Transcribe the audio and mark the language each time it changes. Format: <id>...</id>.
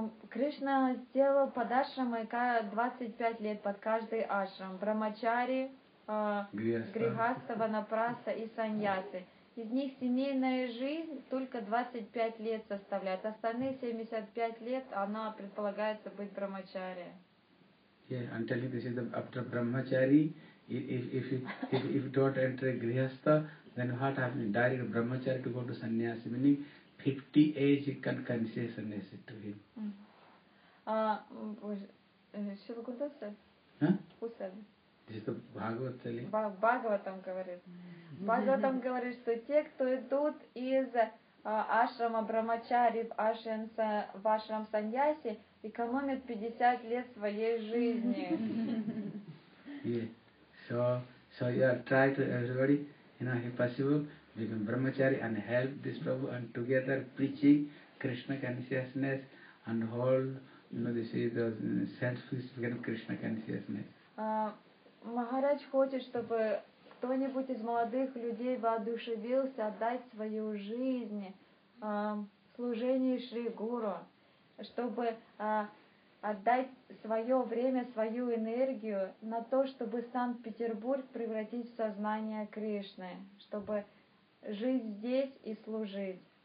<ru>Кришна сделал под ашрамой 25 лет под каждый ашрам. Брамачари, грихаста, ванапраса и саньясы. Из них семейная жизнь только 25 лет составляет. Остальные 75 лет она предполагается быть брамачари.</ru> <en>Yeah, I'm telling you, this is the, after brahmachari, if you don't enter a grihastha, then what happens? Direct brahmachari to go to sannyasi, meaning 50 age you can consider sannyasi to him. Mm-hmm. Shiva Kunda said? Huh? Who said? This is the Bhagavata telling.</en> <ru>Bhagavatam говорит. Mm-hmm. Bhagavatam говорит, что те, кто идут из ашрама брамачари в ашрам саньяси, экономят 50 лет своей жизни.</ru> <en>Yeah. So you are trying to everybody, you know, if possible, become brahmachari and help this Prabhu and together preaching Krishna consciousness and hold, you know, this is the self-discipline of Krishna consciousness.</en> <ru>Maharaj хочет, чтобы кто-нибудь из молодых людей воодушевился отдать свою жизнь служению Шри Гуру, чтобы отдать свое время, свою энергию на то, чтобы Санкт-Петербург превратить в сознание Кришны, чтобы жить здесь и служить.</ru>